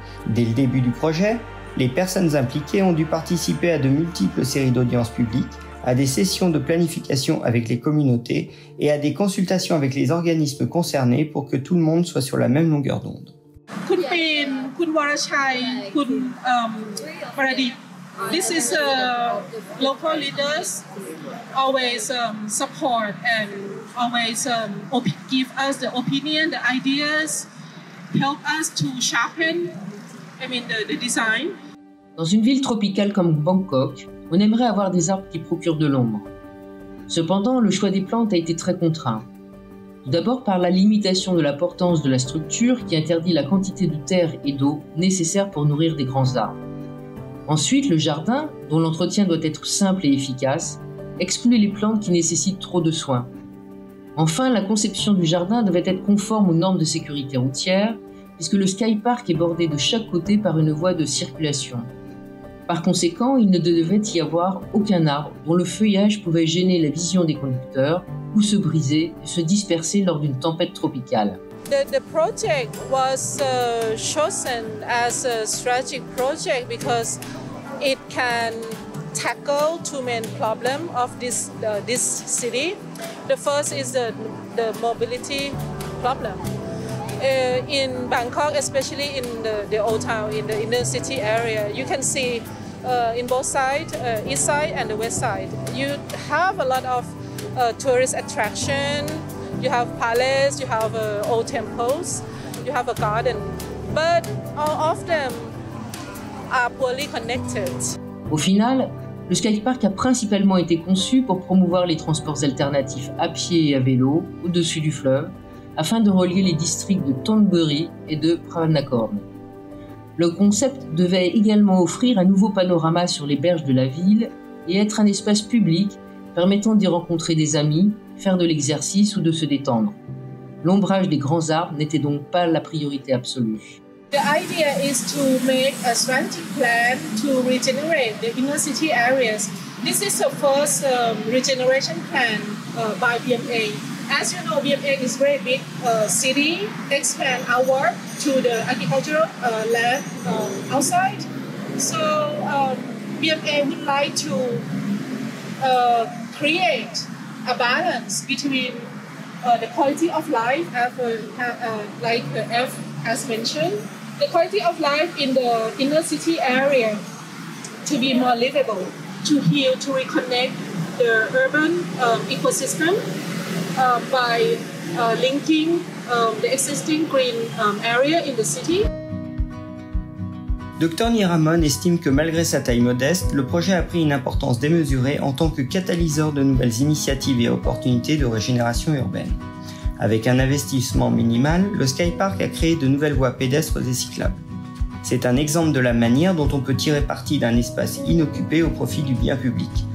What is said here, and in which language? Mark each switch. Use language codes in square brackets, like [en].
[fr] Dès le début du projet, les personnes impliquées ont dû participer à de multiples séries d'audiences publiques, à des sessions de planification avec les communautés et à des consultations avec les organismes concernés pour que tout le monde soit sur la même longueur d'onde. [th] Khun Pin, Khun Warachai, Khun Pradit. [en] This is local leaders always support and always give us the opinion, the ideas, help us to sharpen, the design. [fr] Dans une ville tropicale comme Bangkok, on aimerait avoir des arbres qui procurent de l'ombre. Cependant, le choix des plantes a été très contraint. Tout d'abord par la limitation de la portance de la structure qui interdit la quantité de terre et d'eau nécessaire pour nourrir des grands arbres. Ensuite, le jardin, dont l'entretien doit être simple et efficace, exclut les plantes qui nécessitent trop de soins. Enfin, la conception du jardin devait être conforme aux normes de sécurité routière, puisque le Sky Park est bordé de chaque côté par une voie de circulation. Par conséquent, il ne devait y avoir aucun arbre dont le feuillage pouvait gêner la vision des conducteurs ou se briser et se disperser lors d'une tempête tropicale. [en] The project was chosen as a strategic project because it can tackle two main problems of this city. The first is the mobility problem. In Bangkok, especially in the old town, in the inner city area, you can see in both sides, east side and the west side, you have a lot of tourist attraction. You have palace, you have old temples, you have a garden, but all of them are poorly connected. [fr] Au final, le skatepark a principalement été conçu pour promouvoir les transports alternatifs à pied et à vélo au-dessus du fleuve, afin de relier les districts de Thonburi et de Pranakorn. Le concept devait également offrir un nouveau panorama sur les berges de la ville et être un espace public permettant d'y rencontrer des amis, faire de l'exercice ou de se détendre. L'ombrage des grands arbres n'était donc pas la priorité absolue. [en] The idea is to make a strategic plan to regenerate the inner city areas. This is the first regeneration plan by BMA. As you know, BMA is very big city, expand our work to the agricultural land outside. So BMA would like to create a balance between the quality of life, F has mentioned, the quality of life in the inner city area to be more livable, to heal, to reconnect the urban ecosystem by linking the existing green area in the city. [fr] Dr Niramon estime que malgré sa taille modeste, le projet a pris une importance démesurée en tant que catalyseur de nouvelles initiatives et opportunités de régénération urbaine. Avec un investissement minimal, le Sky Park a créé de nouvelles voies pédestres et cyclables. C'est un exemple de la manière dont on peut tirer parti d'un espace inoccupé au profit du bien public.